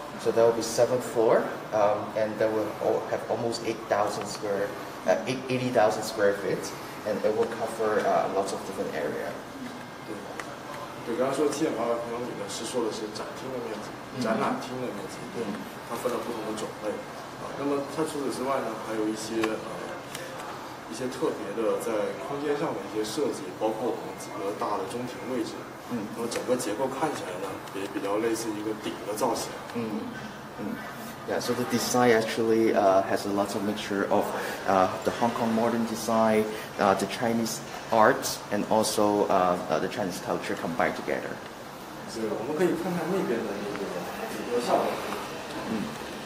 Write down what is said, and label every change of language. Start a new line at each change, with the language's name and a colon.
English: So there will be 7th floor, and that will have almost 80,000 square feet, and it will cover lots of different area.
Chinese: 对，刚刚说7800平方米呢，是说的是展厅的面积，展览厅的面积，它分了不同的种类，那么它除此之外呢，还有一些。一些特别的在空间上的一些设计，包括我们几个大的中庭位置。那么整个结构看起来呢，也比较类似一个顶的造型。
English: So the design actually has a lot of mixture of the Hong Kong modern design, the Chinese art, and also the Chinese culture combined together.
Chinese: 对，我们可以看看那边的那个结构效果。